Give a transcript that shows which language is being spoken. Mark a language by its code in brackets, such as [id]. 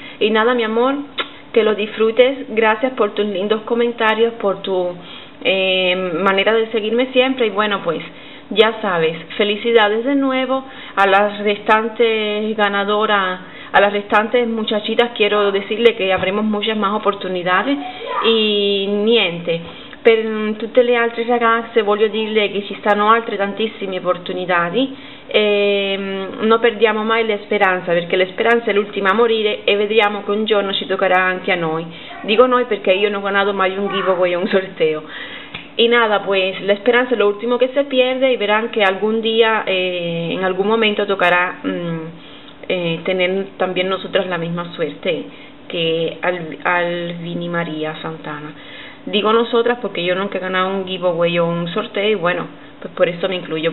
[es] Y nada, mi amor, que lo disfrutes. Gracias por tus lindos comentarios, por tu manera de seguirme siempre. Y bueno, pues ya sabes, felicidades de nuevo a las restantes ganadoras, a las restantes muchachitas. Quiero decirle que habremos muchas más oportunidades y niente, [it] Per tutte le altre ragazze voglio dirle che ci stanno altre tantissime opportunità e non perdiamo mai la speranza, perché la speranza è l'ultima a morire e vedremo che un giorno ci toccherà anche a noi. Dico noi perché io non ho ganato mai un giveaway o [es] un sorteo. E nada, pues la esperanza es lo último que se pierde y verán que algún día, en algún momento, tocará tener también nosotras la misma suerte que Alvini María Santana. Digo nosotras porque yo nunca he ganado un giveaway o un sorteo y bueno, pues por eso me incluyo.